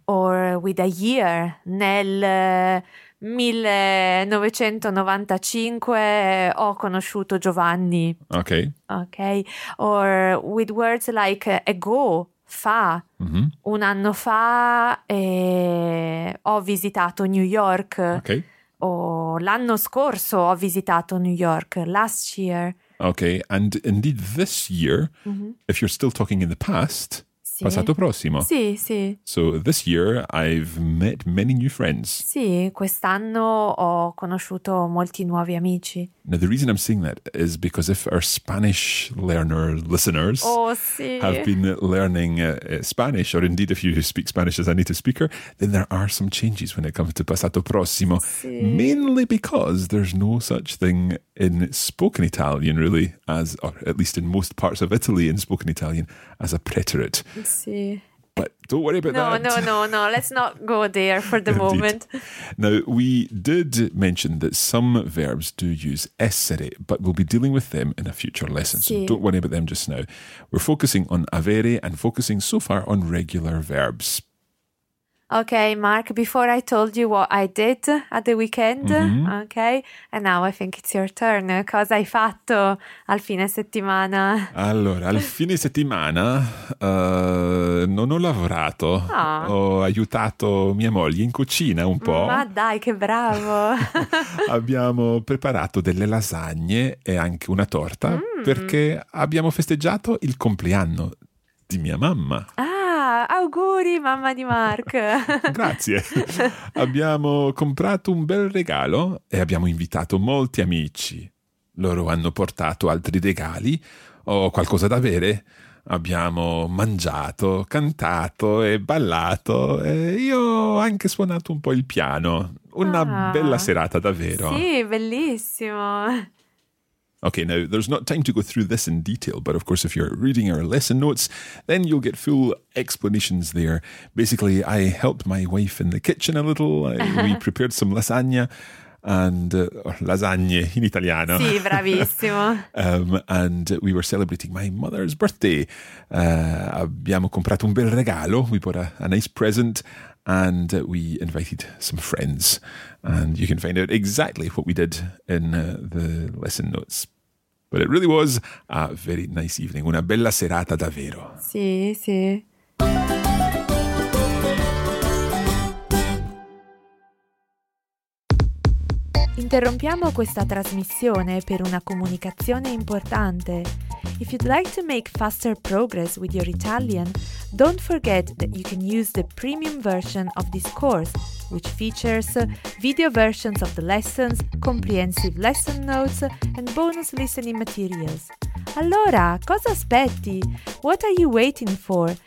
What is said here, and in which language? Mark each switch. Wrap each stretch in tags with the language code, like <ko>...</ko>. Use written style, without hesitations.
<en>Or with a year,</en> <it>nel 1995 ho conosciuto Giovanni.</it> <en>Okay. Okay. Or with words like ago, fa. Mm-hmm.</en> <it>Un anno fa ho visitato New York.</it> <en>Okay.</en> <it>O l'anno scorso ho visitato New York.</it> <en>Last year. Okay. And indeed this year, mm-hmm. if you're still talking in the past,</en> <it>sì. Passato prossimo. Sì, sì.</it> <en>So this year I've met many new friends.</en> <it>Sì, quest'anno ho conosciuto molti nuovi amici.</it> <en>Now the reason I'm saying that is because if our Spanish learner listeners</en> <it>oh, sì.</it> <en>have been learning Spanish, or indeed if you speak Spanish as a native speaker, then there are some changes when it comes to passato prossimo.</en> <it>Sì.</it> <en>Mainly because there's no such thing in spoken Italian, really, as or at least in most parts of Italy in spoken Italian, as a preterite.</en> <it>Sì.</it> <en>But don't worry about that. No. Let's not go there for the moment. Now, we did mention that some verbs do use essere, but we'll be dealing with them in a future lesson.</en> <it>Sì.</it> <en>So don't worry about them just now. We're focusing on avere and focusing so far on regular verbs. Okay, Mark, before I told you what I did at the weekend, mm-hmm. okay, and now I think it's your turn.</en> <it>Cosa hai fatto al fine settimana? Allora, al fine settimana non ho lavorato, oh. ho aiutato mia moglie in cucina un po'. Ma dai, che bravo! Abbiamo preparato delle lasagne e anche una torta mm. perché abbiamo festeggiato il compleanno di mia mamma. Ah! Auguri, mamma di Mark! Grazie! Abbiamo comprato un bel regalo e abbiamo invitato molti amici. Loro hanno portato altri regali o qualcosa da bere. Abbiamo mangiato, cantato e ballato. E io ho anche suonato un po' il piano. Una bella serata, davvero! Sì, bellissimo!</it> <en>Okay, now, there's not time to go through this in detail, but of course, if you're reading our lesson notes, then you'll get full explanations there. Basically, I helped my wife in the kitchen a little. We prepared some lasagna and lasagne in Italiano.</en> <it>Sì, bravissimo.</it> <en>And we were celebrating my mother's birthday.</en> <it>Abbiamo comprato un bel regalo.</it> <en>We bought a nice present. And we invited some friends. And you can find out exactly what we did in the lesson notes. But it really was a very nice evening.</en> <it>Una bella serata davvero. Sì, sì. Interrompiamo questa trasmissione per una comunicazione importante.</it> <en>If you'd like to make faster progress with your Italian, don't forget that you can use the premium version of this course, which features video versions of the lessons, comprehensive lesson notes, and bonus listening materials.</en> <it>Allora, cosa aspetti?</it> <en>What are you waiting for?</en>